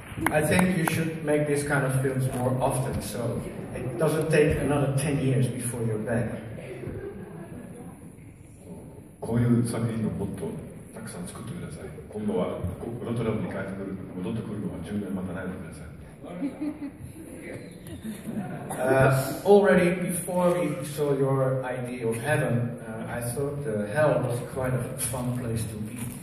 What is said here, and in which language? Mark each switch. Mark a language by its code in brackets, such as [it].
[en] I think you should make these kind of films more often, so it doesn't take another 10 years before you're back. [ja] こういう作品をもっとたくさん作ってください。今度はロッテルダムに帰ってくる、戻ってくるのは10年待たないでください。 [en] already before we saw your idea of heaven, I thought the hell was quite a fun place to be.